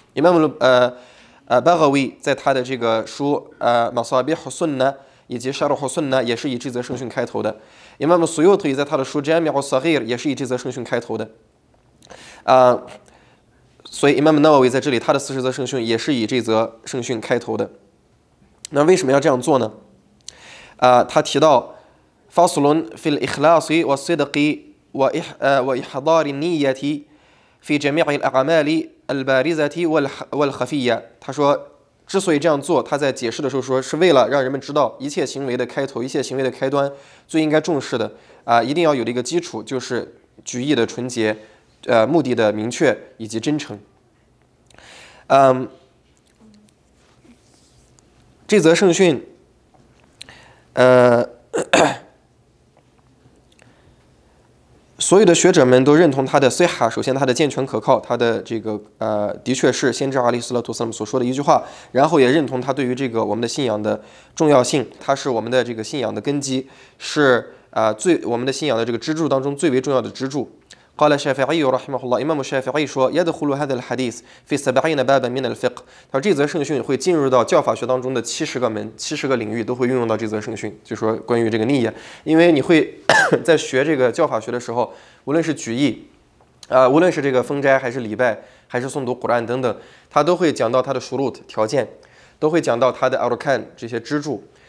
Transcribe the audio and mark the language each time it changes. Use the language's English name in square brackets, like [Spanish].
[Chinese] Imam al-Baghawi 在他的这个书Masabih al-Sunnah 以及 Sharh al-Sunnah 也是以这则圣训开头的。 Imam al-Suyuti 在他的书Jami' al-Saghir 也是以这则圣训开头的。所以 Imam Nawawi 在这里他的四十则圣训也是以这则圣训开头的。那为什么要这样做呢？他提到 [Arabic] فصل في الإخلاص والصدق وإحضار النية في جميع الأعمال البارزة والخفية。 [Chinese] 他说之所以这样做，他在解释的时候说是为了让人们知道一切行为的开头，一切行为的开端最应该重视的，一定要有的一个基础就是举意的纯洁，目的的明确以及真诚。这则圣训所有的学者们都认同他的 Siha， 首先他的健全可靠，他的这个的确是先知阿里斯勒图斯姆所说的一句话，然后也认同他对于这个我们的信仰的重要性，他是我们的这个信仰的根基，是我们的信仰的这个支柱当中最为重要的支柱。 [Arabic] قال الشافعي رحمه الله إمام الشافعي شو يدخل هذا الحديث في سبعين بابا من الفقه. [Chinese] 他说这则圣训会进入到教法学当中的七十个门、七十个领域都会运用到这则圣训，就说关于这个逆业，因为你会在学这个教法学的时候，无论是举义，无论是这个封斋还是礼拜，还是诵读古兰等等，他都会讲到他的 shurut 条件，都会讲到他的 arkan 这些支柱。